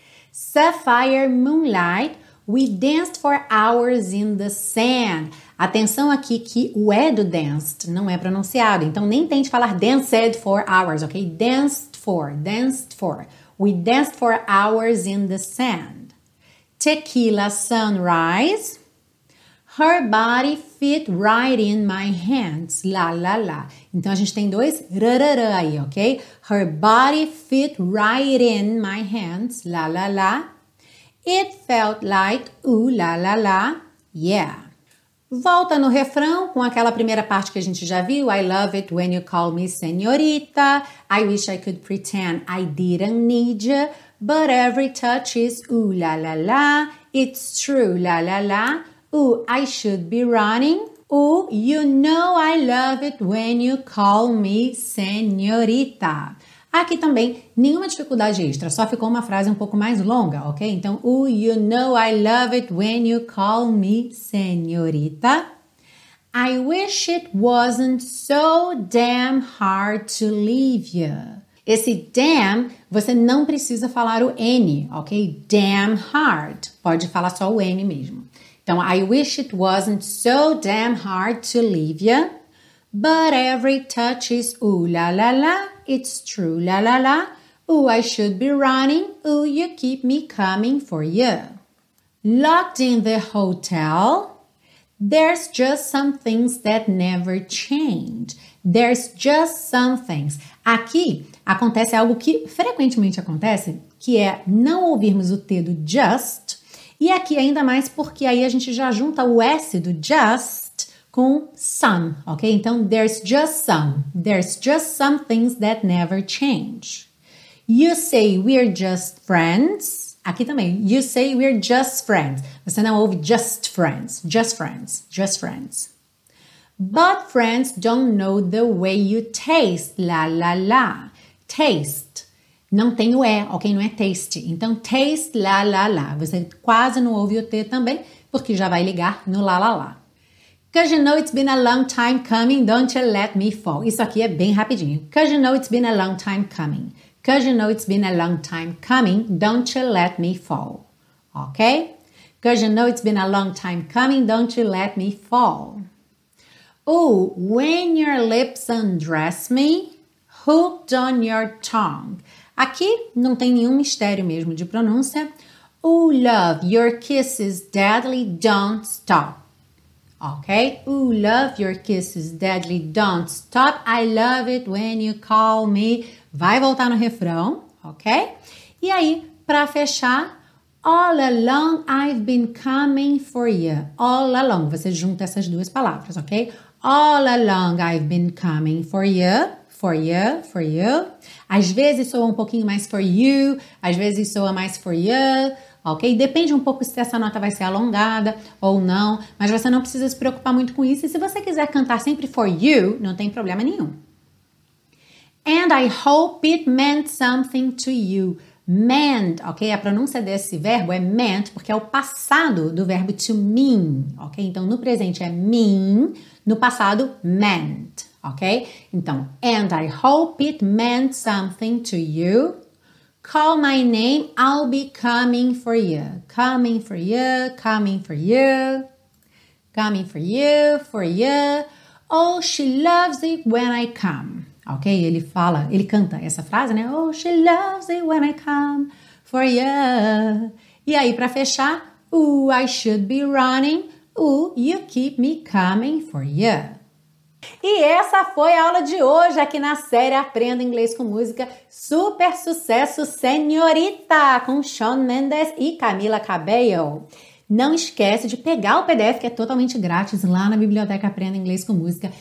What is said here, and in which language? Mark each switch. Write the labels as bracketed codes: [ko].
[en] Sapphire moonlight, we danced for hours in the sand. [pt] Atenção aqui que o E do danced não é pronunciado, então nem tente falar [en] danced for hours, [pt] ok? [en] Danced for, danced for. We danced for hours in the sand. Tequila sunrise, her body fit right in my hands, la la la. [pt] Então, a gente tem dois rarara aí, ok? [en] Her body fit right in my hands, la la la. It felt like ooh la la la, yeah. [pt] Volta no refrão com aquela primeira parte que a gente já viu. [en] I love it when you call me senhorita. I wish I could pretend I didn't need you. But every touch is ooh la la la. It's true, la la la. Ooh, I should be running. Ooh, you know I love it when you call me senhorita. [pt] Aqui também, nenhuma dificuldade extra, só ficou uma frase um pouco mais longa, ok? [en] Então, ooh, you know I love it when you call me senhorita. I wish it wasn't so damn hard to leave you. [pt] Esse damn, você não precisa falar o N, ok? [en] Damn hard, [pt] pode falar só o N mesmo. [en] Então, I wish it wasn't so damn hard to leave ya, but every touch is ooh la la la, it's true la la la, ooh I should be running, ooh you keep me coming for ya. Locked in the hotel, there's just some things that never change, there's just some things. [pt] Aqui acontece algo que frequentemente acontece, que é não ouvirmos o T do just. E aqui ainda mais porque aí a gente já junta o S do just com some, ok? [en] Então, there's just some things that never change. You say we're just friends, [pt] aqui também, [en] you say we're just friends. [pt] Você não ouve [en] just friends, just friends, just friends. But friends don't know the way you taste, la la la, taste. [pt] Não tem o E, ok? Não é taste. Então, taste, la, la, la. Você quase não ouve o T também, porque já vai ligar no la, la, la. [en] Cause you know it's been a long time coming, don't you let me fall. [pt] Isso aqui é bem rapidinho. [en] Cause you know it's been a long time coming. Cause you know it's been a long time coming, don't you let me fall. Ok? Cause you know it's been a long time coming, don't you let me fall. Oh, when your lips undress me, hooked on your tongue. [pt] Aqui não tem nenhum mistério mesmo de pronúncia. [en] Oh, love, your kisses deadly don't stop. Ok? Oh, love, your kisses deadly don't stop. I love it when you call me. [pt] Vai voltar no refrão, ok? E aí, para fechar, [en] all along I've been coming for you. All along, [pt] você junta essas duas palavras, ok? [en] All along I've been coming for you. For you, for you. [pt] Às vezes soa um pouquinho mais for you, às vezes soa mais for you, ok? Depende um pouco se essa nota vai ser alongada ou não, mas você não precisa se preocupar muito com isso. E se você quiser cantar sempre for you, não tem problema nenhum. [en] And I hope it meant something to you. Meant, ok? [pt] A pronúncia desse verbo é meant, porque é o passado do verbo to mean, ok? Então, no presente é mean, no passado, meant. Ok? [en] Então, and I hope it meant something to you. Call my name, I'll be coming for you. Coming for you, coming for you. Coming for you, for you. Oh, she loves it when I come. [pt] Ok? Ele fala, ele canta essa frase, né? [en] Oh, she loves it when I come for you. [pt] E aí, pra fechar, [en] ooh, I should be running. Ooh, you keep me coming for you. [pt] E essa foi a aula de hoje aqui na série Aprenda Inglês com Música, super sucesso Senhorita, com Shawn Mendes e Camila Cabello. Não esquece de pegar o PDF, que é totalmente grátis, lá na Biblioteca Aprenda Inglês com Música.